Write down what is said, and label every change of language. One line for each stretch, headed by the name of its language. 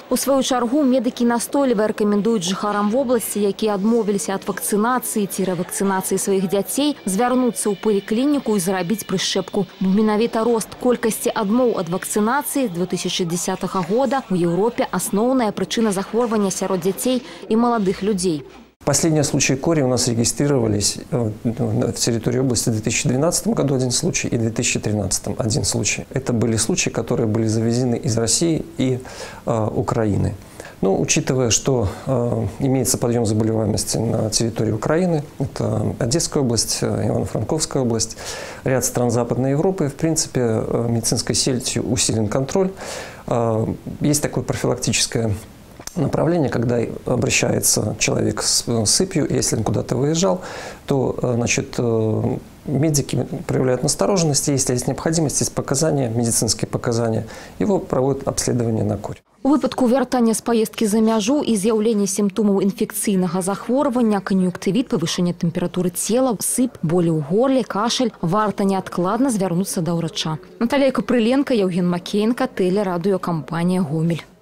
Belarusian: У сваю чаргу медыкі настойліва рэкамендуюць жыхарам вобласці, якія адмовіліся ад вакцынацыі ці рэвакцынацыі сваіх дзяцей, звярнуцца ў паліклініку і зрабіць прышэпку. Бо менавіта рост колькасці адмоў ад вакцынацыі 2010 года ў Еўропе асноўная прычына захворвання сярод дзяцей і маладых людзей.
Russian: Последние случаи кори у нас регистрировались в территории области в 2012 году один случай и в 2013 один случай. Это были случаи, которые были завезены из России и Украины. Но учитывая, что имеется подъем заболеваемости на территории Украины, это Одесская область, Ивано-Франковская область, ряд стран Западной Европы, в принципе, медицинской сетью усилен контроль. Есть такое профилактическое направление, когда обращается человек с сыпью, если он куда-то выезжал, то, значит, медики проявляют настороженность, если есть необходимость, есть показания, медицинские показания, его проводят обследование на корь.
Belarusian: У выпадку вяртання з паездкі за мяжу і з'яўлення сімптомаў інфекцыйнага захворвання, кан'юнктывіт, павышэння тэмпературы цела, сып, болі ў горле, кашель, варта неадкладна звярнуцца да ўрача. Наталія Каприленка, Яўген Макеенка, тэлерадыёкампанія «Гомель».